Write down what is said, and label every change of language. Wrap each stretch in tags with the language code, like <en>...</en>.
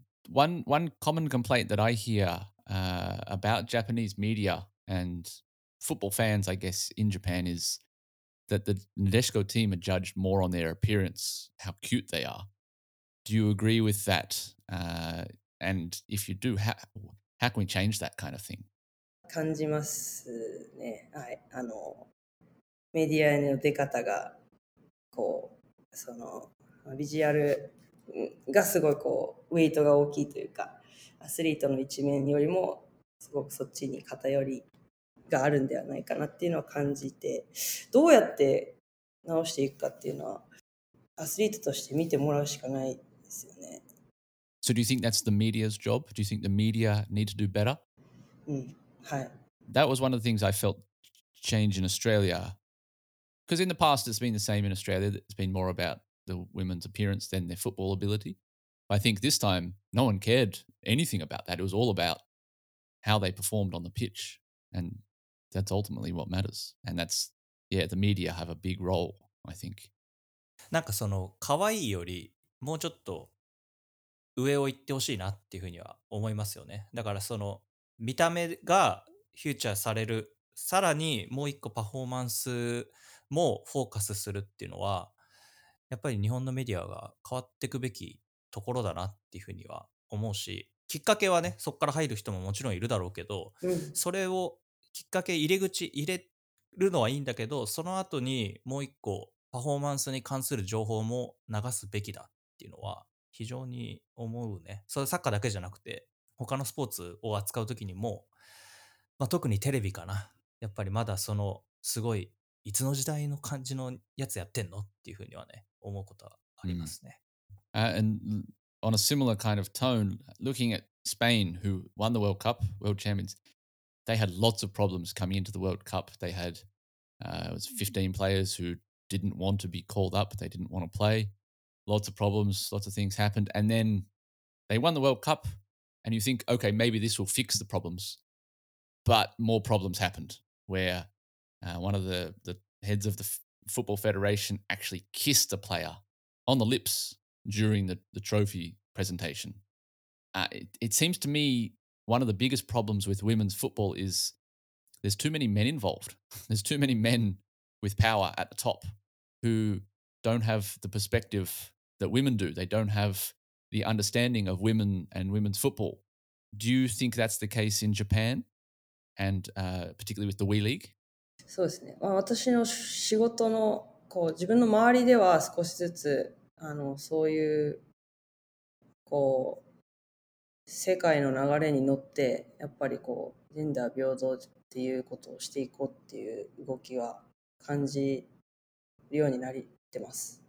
<en>One common complaint that I hear about Japanese media and football fans, I guess, in Japan is that the Nadeshiko team are judged more on their appearance, how cute they are. Do you agree with that? And if you do, how can we change that kind of thing?</en> <ja>感じますね。はい。あの、メディアの出方がこう、そのビジュアルがすごいこうウェイトが大きいというか、アスリートの一面よりもすごくそっちに偏りがあるんではないかなっていうのは感じて、どうやって直していくかっていうのはアスリートとして見てもらうしかないですよね。</ja> <en>So do you think that's the media's job? Do you think the media need to do better?</en> <ja>うん、はい。</ja> <en>That was one of the things I felt change in Australia, because in the past it's been the same in Australia, it's been more aboutthe women's appearance than their football ability. I think this time, no one cared anything about that. It was all about how they performed on the pitch. And that's ultimately what matters. And that's, yeah, the media have a big role, I think.</en> <ja>なんかその可愛いよりもうちょっと上を行ってほしいなっていうふうには思いますよね。だからその見た目がフューチャーされる、さらにもう一個パフォーマンスもフォーカスするっていうのは、やっぱり日本のメディアが変わっていくべきところだなっていうふうには思うし、きっかけはね、そこから入る人ももちろんいるだろうけど、それをきっかけ入り口入れるのはいいんだけど、その後にもう一個パフォーマンスに関する情報も流すべきだっていうのは非常に思うね。それサッカーだけじゃなくて他のスポーツを扱うときにも、まあ、特にテレビかな、やっぱりまだそのすごいいつの時代の感じのやつやってんのっていうふうにはね思うことはありますね、 mm.</ja> <en>And on a similar kind of tone, looking at Spain who won the World Cup, World Champions, they had lots of problems coming into the World Cup. They had it was 15 players who didn't want to be called up, they didn't want to play. Lots of problems, lots of things happened, and then they won the World Cup, and you think, okay, maybe this will fix the problems. But more problems happened, where one of the heads of the Football Federation actually kissed a player on the lips during the trophy presentation. It seems to me one of the biggest problems with women's football is there's too many men involved. There's too many men with power at the top who don't have the perspective that women do. They don't have the understanding of women and women's football. Do you think that's the case in Japan and particularly with the Wii League?</en> <ja>そうですね。まあ、私の仕事のこう自分の周りでは少しずつそういうこう世界の流れに乗ってやっぱりこうジェンダー平等っていうことをしていこうっていう動きは感じるようになってます。</ja>